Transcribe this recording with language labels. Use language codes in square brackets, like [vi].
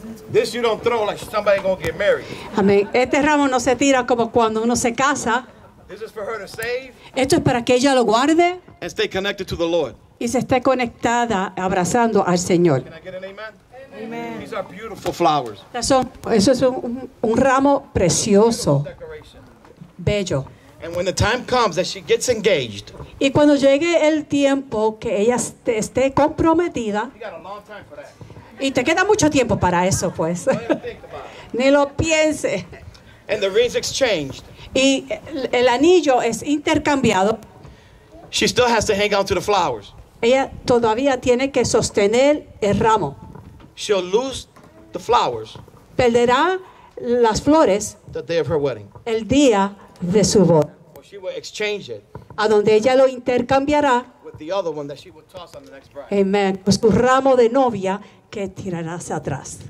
[en] This you don't throw like somebody gonna get married. [es] Amén. Este ramo no se tira como cuando uno se casa. [en] This is for her to save. [es] Esto es para que ella lo guarde. [en] And stay connected to the Lord. [es] Y se esté conectada abrazando al Señor. [en] Can I get an amen? Amen. These are beautiful flowers. [es] Eso es un ramo precioso. Bello. [en] And when the time comes that she gets engaged. [es] Y cuando llegue el tiempo que ella esté comprometida. Y te queda mucho tiempo para eso, pues. Ni lo piense. [en] And the ring's exchanged. [es] Y el anillo es intercambiado. [en] She still has to hang on to the flowers. [es] Ella todavía tiene que sostener el ramo. [en] She'll lose the flowers. [es] Perderá las flores. [en] The day of her wedding. [es] El día de su boda. [en] She will exchange it. [es] A donde ella lo intercambiará. [en] With the other one that she will toss on the next bride. Amen. [es] Pues tu ramo de novia que tirarás atrás.